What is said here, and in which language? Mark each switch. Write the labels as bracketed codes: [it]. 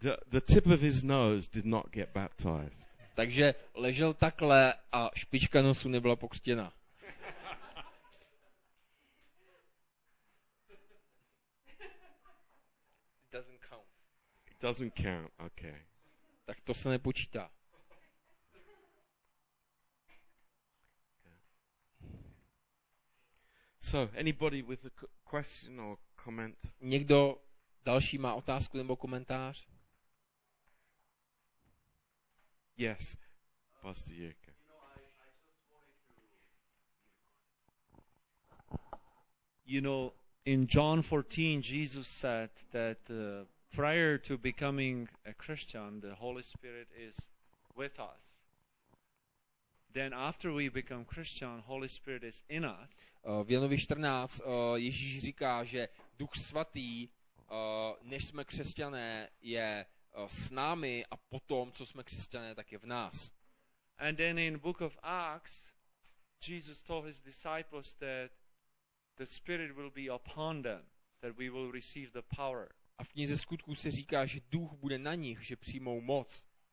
[en] The tip of his nose did not get baptized. [cs] Takže ležel takhle a špička nosu nebyla pokřtěna. [en] It doesn't count. Okay. [cs] Tak to se nepočítá. [en] So, anybody with a question or comment? [cs] Někdo další má otázku nebo komentář? [en] Yes, Pastor Jirka. You know, in John 14, Jesus said that prior to becoming a Christian, the Holy Spirit is with us. Then after we become Christian, Holy Spirit is in us. [cs] V Janovi 14 Ježíš říká, že Duch Svatý, než jsme křesťané, je s námi a potom, co jsme křesťané, tak je v nás. [en] And then in book of Acts, Jesus told his disciples that the Spirit will be upon them, that we will receive the power. [cs] A v knize Skutků se říká, že Duch bude na nich, že přijmou moc.